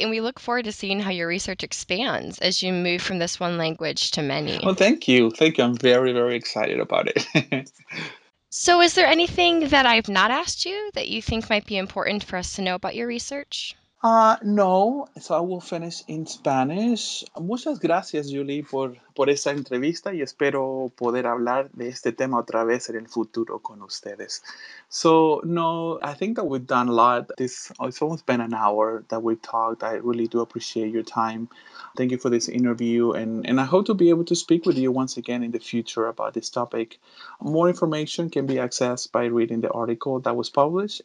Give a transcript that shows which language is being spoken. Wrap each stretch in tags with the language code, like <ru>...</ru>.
<en>And we look forward to seeing how your research expands as you move from this one language to many. Well, thank you. Thank you. I'm very, very excited about it. So is there anything that I've not asked you that you think might be important for us to know about your research? No, so I will finish in Spanish.</en> <es>Muchas gracias, Julie, por esa entrevista y espero poder hablar de este tema otra vez en el futuro con ustedes.</es> <en>So, no, I think that we've done a lot. It's almost been an hour that we've talked. I really do appreciate your time. Thank you for this interview, and I hope to be able to speak with you once again in the future about this topic. More information can be accessed by reading the article that was published.</en>